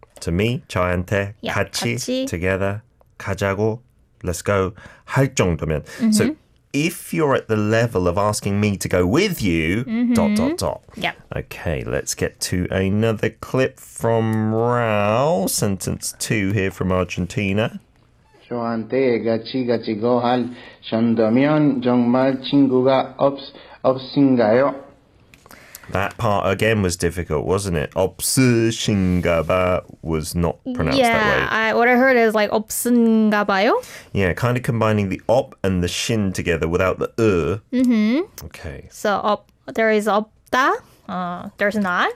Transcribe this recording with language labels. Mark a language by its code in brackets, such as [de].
[en] To me, 저한테, 같이, together, 가자고, let's go, [ko] 할 정도면. [en] Mm-hmm. So, if you're at the level of asking me to go with you, ... Yep. Okay, let's get to another clip from Raul. Sentence 2 here from Argentina. [ko] 저한테 같이 go 할 정도면 정말 친구가 없으신가요? [en] That part, again, was difficult, wasn't it? 없으신가봐 was not pronounced that way. Yeah, what I heard is like 없으신가봐요. Yeah, kind of combining the 없 and the 신 together without the 으. Okay. So 없, there is 없다, there's not.